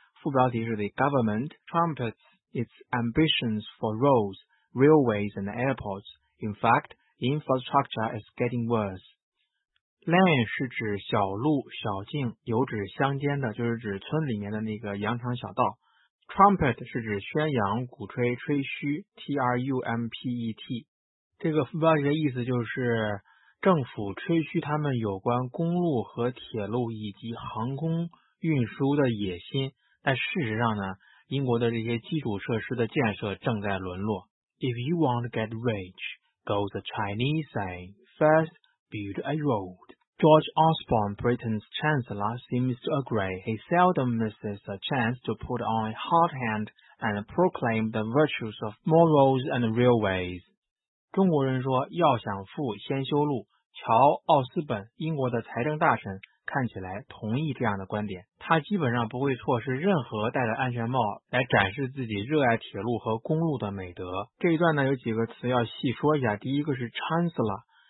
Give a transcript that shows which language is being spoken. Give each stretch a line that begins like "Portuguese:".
Chinese: 副标题是
English: The government trumpets its ambitions for roads, railways and airports. In fact, infrastructure is getting worse.
Chinese: Lane 是指小路、小径，有指乡间的，就是指村里面的那个羊肠小道。 Trumpet 是指宣扬、鼓吹、吹嘘 ,T-R-U-M-P-E-T。这个副标题的意思就是政府吹嘘他们有关公路和铁路以及航空运输的野心，但事实上呢，英国的这些基础设施的建设正在沦落。
English: If you want to get rich, goes the Chinese saying, first build a road. George Osborne, Britain's Chancellor, seems to agree. He seldom misses a chance to put on a hard hand and proclaim the virtues of more roads and railways.
Chinese: 中国人说，要想富先修路。乔·奥斯本，英国的财政大臣，看起来同意这样的观点。他基本上不会错失任何戴着安全帽来展示自己热爱铁路和公路的美德。这一段呢，有几个词要细说一下。第一个是 Chancellor，